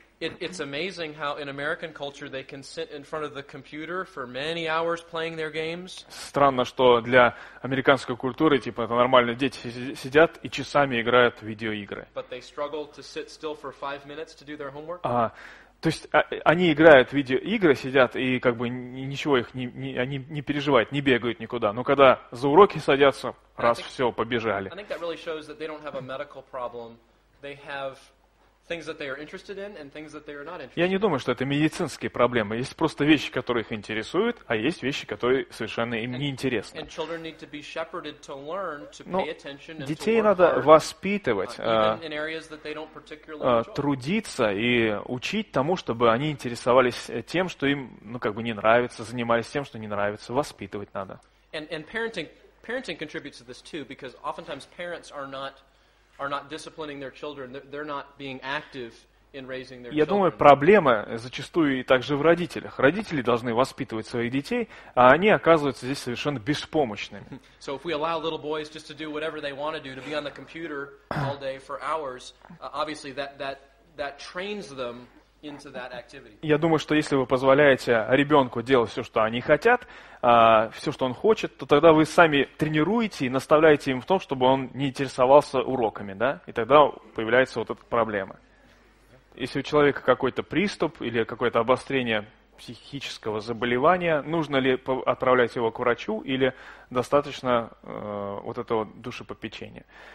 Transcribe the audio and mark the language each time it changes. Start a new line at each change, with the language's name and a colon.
English: It's amazing how in American culture they can sit in front of the computer for many hours playing their games.
Russian: Странно, что для американской культуры типа это нормально, дети сидят и часами играют в видеоигры.
English: But they struggle to sit still for 5 minutes to do their homework.
Russian: То есть они играют в видеоигры, сидят и как бы ничего их они не переживают, не бегают никуда. Но когда за уроки садятся, раз, все, побежали.
English: I think that really shows that they don't have a medical problem. They have things that they are interested in and things that they are not interested in.
Russian: Я не думаю, что это медицинские проблемы. Есть просто вещи, которые их интересуют, а есть вещи, которые совершенно им не интересны.
English: And children need to be shepherded to learn to pay attention and
Russian: детей надо воспитывать, трудиться и учить тому, чтобы они интересовались тем, что им, ну, как бы не нравится, занимались тем, что не нравится. Воспитывать надо.
English: And parenting contributes to this too, because oftentimes parents are not disciplining their children, they're not being active in raising their children.
Russian: Я думаю, проблема зачастую и также в родителях. Родители должны воспитывать своих детей, а они оказываются здесь совершенно беспомощными.
English: So if we allow little boys just to do whatever they want to be on the computer all day for hours, obviously that trains them into that activity.
Russian: Я думаю, что если вы позволяете ребенку делать все, что они хотят, все, что он хочет, то тогда вы сами тренируете и наставляете им в том, чтобы он не интересовался уроками, да? И тогда появляется вот эта проблема. Если у человека какой-то приступ или какое-то обострение психического заболевания, нужно ли отправлять его к врачу или достаточно вот этого душепопечения?